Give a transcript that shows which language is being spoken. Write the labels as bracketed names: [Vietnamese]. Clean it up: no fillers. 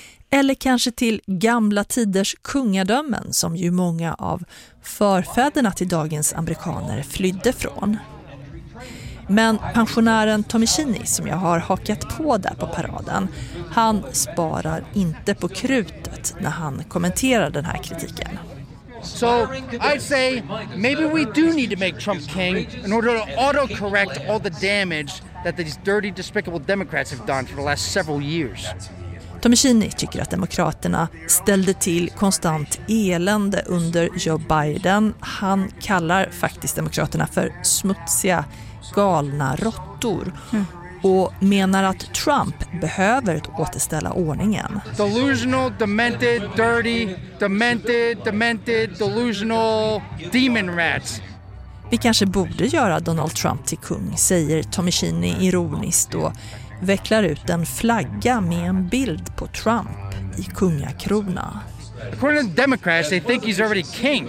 [Swedish] Eller kanske till gamla tiders kungadömen som ju många av förfäderna till dagens amerikaner flydde från. Men pensionären Tommy Cheney som jag har hakat på där på paraden, han sparar inte på krutet när han kommenterar den här kritiken. [English] So I say maybe we do need to make Trump king in order to autocorrect all the damage that these dirty despicable Democrats have done for the last several years. [Swedish] Tommy Cheney tycker att demokraterna ställde till konstant elände under Joe Biden. Han kallar faktiskt demokraterna för smutsiga galna råttor och menar att Trump behöver återställa ordningen. [English] Delusional, demented, dirty, demented, demented, delusional, demon rats. [Swedish] Vi kanske borde göra Donald Trump till kung, säger Tommy Cheney ironiskt och vecklar ut en flagga med en bild på Trump i kungakrona. [English] According to the Democrats, they think he's already king.